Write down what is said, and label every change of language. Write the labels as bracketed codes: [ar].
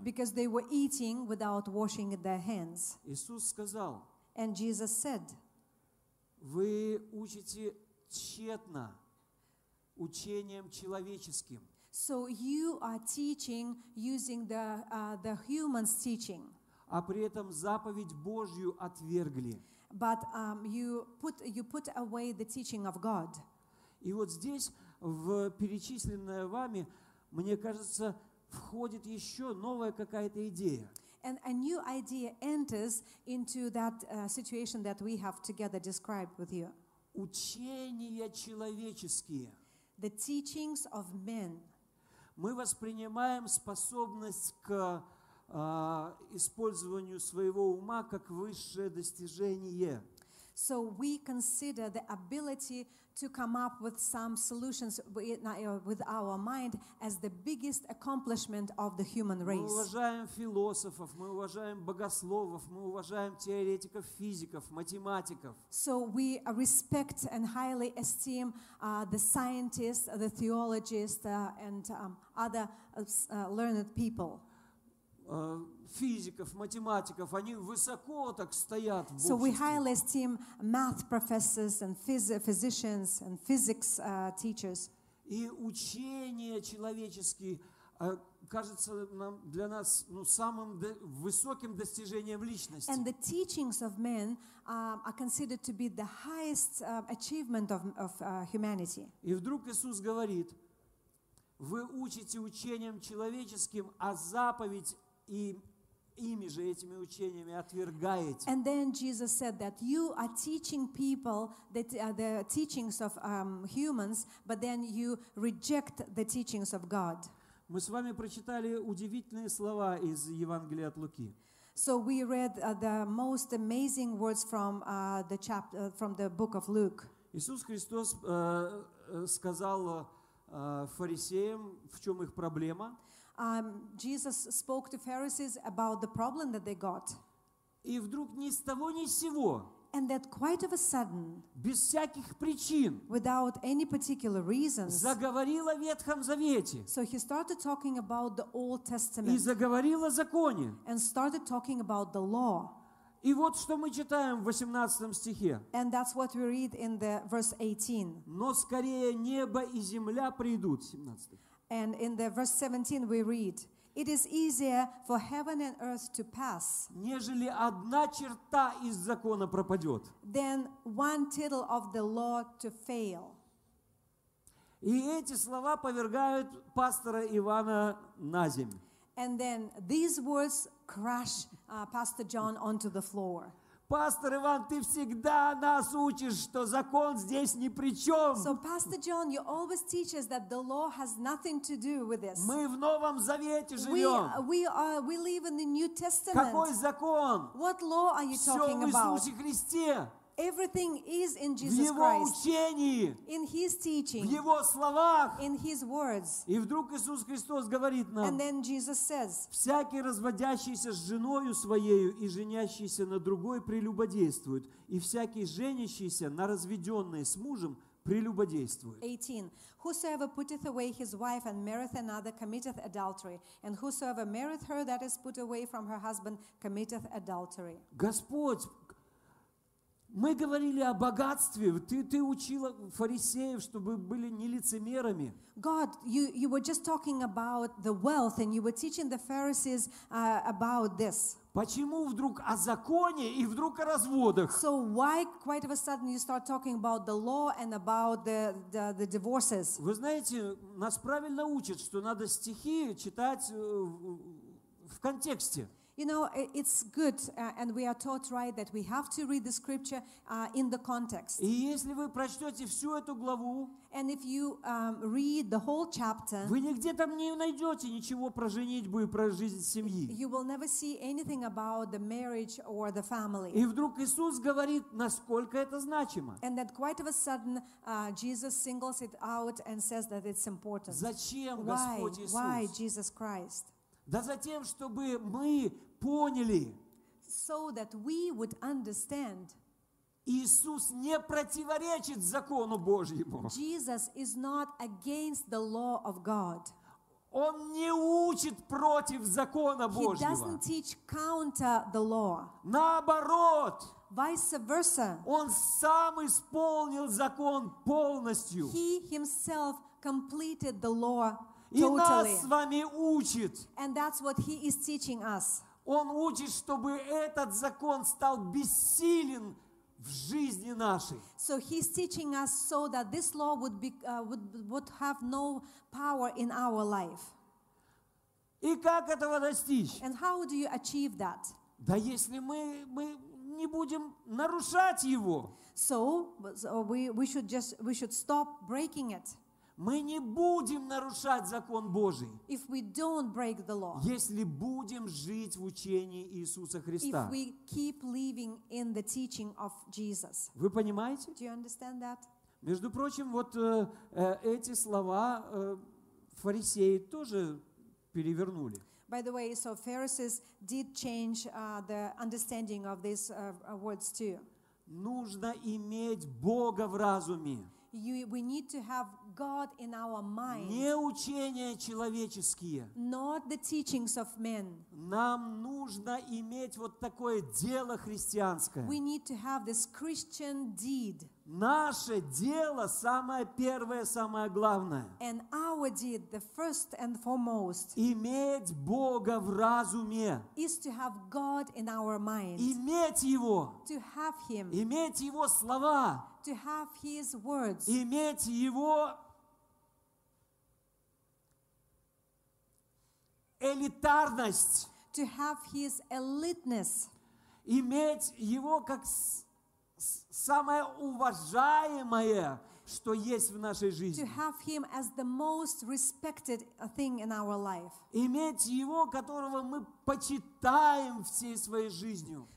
[en] Because they were eating without washing their hands. [ru] Иисус сказал. [en] And Jesus said. [ru] Вы учите тщетно учением человеческим. [en] So you are teaching using the human's teaching. [ru] А при этом заповедь Божью отвергли. [en] But you put away the teaching of God. [ru] И вот здесь в перечисленное вами, мне кажется, входит еще новая какая-то идея. [en] And a new idea enters into that situation that we have together described with you. [ru] Учения человеческие. [en] The teachings of men. [ru] Мы воспринимаем способность к использованию своего ума как высшее достижение. [en] So we consider the ability to come up with some solutions with our mind as the biggest accomplishment of the human race. [ru] Мы уважаем философов, мы уважаем богословов, мы уважаем теоретиков, физиков, математиков. [en] So we respect and highly esteem the scientists, the theologists, and other learned people. [ru] Физиков, математиков, они высоко так стоят в обществе. [en] So we highly esteem math professors and physicians and physics teachers. [ru] И учение человеческое кажется нам, для нас, ну, самым высоким достижением личности. [en] And the teachings of men are considered to be the highest achievement of humanity. [ru] И вдруг Иисус говорит, вы учите учением человеческим, а заповедь и ими же, этими учениями отвергаете. [en] And then Jesus said that you are teaching people that the teachings of humans, but then you reject the teachings of God. [ru] Мы с вами прочитали удивительные слова из Евангелия от Луки. [en] So we read the most amazing words from the chapter from the book of Luke. [ru] Иисус Христос сказал фарисеям, в чем их проблема. [en] Jesus spoke to Pharisees about the problem that they got. [ru] И вдруг ни с того ни с сего. [en] And that quite of a sudden. [ru] Без всяких причин. [en] Without any particular reasons. [ru] Заговорил о Ветхом Завете. [en] So he started talking about the Old Testament. [ru] И заговорил о законе. [en] And started talking about the law. [ru] И вот что мы читаем в 18 стихе. [en] And that's what we read in the verse 18. [ru] Но скорее небо и земля придут. 17. [en] And in the verse 17 we read, it is easier for heaven and earth to pass, [ru] нежели одна черта из закона пропадет, [en] than one tittle of the law to fail. [ru] И эти слова повергают пастора Ивана на землю. [en] And then these words crash Pastor John onto the floor. [ru] Пастор Иван, ты всегда нас учишь, что закон здесь ни при чем. [en] So Pastor John, you always teach us that the law has nothing to do with this. [ru] Мы в Новом Завете живем. [en] We live in the New Testament. [ru] Какой закон? [en] What law are you talking about? [ru] Все в Иисусе Христе. [en] Everything is in Jesus Christ. [ru] В Его учении. [en] In His teaching. [ru] В Его словах. [en] In His words. [ru] И вдруг Иисус Христос говорит нам. [en] And then Jesus says. [ru] Всякий разводящийся с женою своею и женящийся на другой прелюбодействует, и всякий женящийся на разведенной с мужем прелюбодействует. 18. [en] Whosoever putteth away his wife and marrieth another committeth adultery, and whosoever marrieth her that is put away from her husband committeth adultery. [ru] Господь, мы говорили о богатстве. Ты учила фарисеев, чтобы были не лицемерами. [en] God, you were just talking about the wealth, and you were teaching the Pharisees about this. [ru] Почему вдруг о законе и вдруг о разводах? [en] So why, quite of a sudden, you start talking about the law and about the divorces? [ru] Вы знаете, нас правильно учат, что надо стихи читать в контексте. [en] You know, it's good, and we are taught right that we have to read the scripture in the context. [ru] И если вы прочтете всю эту главу, [en] and if you read the whole chapter, [ru] вы нигде там не найдете ничего про женитьбу и про жизнь семьи. [en] You will never see anything about the marriage or the family. [ru] И вдруг Иисус говорит, насколько это значимо. [en] And then quite of a sudden, Jesus singles it out and says that it's important. [ru] Зачем Господь Иисус? [en] Why Jesus Christ? [ru] Да за тем, чтобы мы поняли. [en] So that we would understand. [ru] Иисус не противоречит закону Божьему. [en] Jesus is not against the law of God. [ru] Он не учит против закона Божьего. [en] He doesn't teach counter the law. [ru] Наоборот. [en] Vice versa. [ru] Он сам исполнил закон полностью. [en] He himself completed the law. [ru] И нас с вами учит. [en] And that's what he is teaching us. [ru] Он учит, чтобы этот закон стал бессилен в жизни нашей. [en] So he's teaching us so that this law would have no power in our life. [ru] И как этого достичь? [en] And how do you achieve that? [ru] Да если мы не будем нарушать его. [en] So we should stop breaking it. [ru] Мы не будем нарушать закон Божий. [en] If we don't break the law. [ru] Если будем жить в учении Иисуса Христа. [en] If we keep living in the teaching of Jesus. [ru] Вы понимаете? [en] Do you understand that? [ru] Между прочим, вот эти слова фарисеи тоже перевернули. [en] By the way, so Pharisees did change the understanding of these words too. [ru] Нужно иметь Бога в разуме. [en] We need to have God in our mind. [ru] Не учения человеческие. [en] Not the teachings of men. [ru] Нам нужно иметь вот такое дело христианское. [en] We need to have this Christian deed. [ru] Наше дело самое первое, самое главное. [en] And our deed, the first and foremost. [ru] Иметь Бога в разуме. [en] Is to have God in our mind. [ru] Иметь Его. [en] To have Him. [ru] Иметь Его слова. [en] To have His words. [ru] Иметь Его элитарность. [en] To have His eliteness. [ru] Иметь Его как самое уважаемое, что есть в нашей жизни. [en] To have Him as the most respected thing in our life. [ru] Иметь Его, которого мы почитаем всей своей жизнью.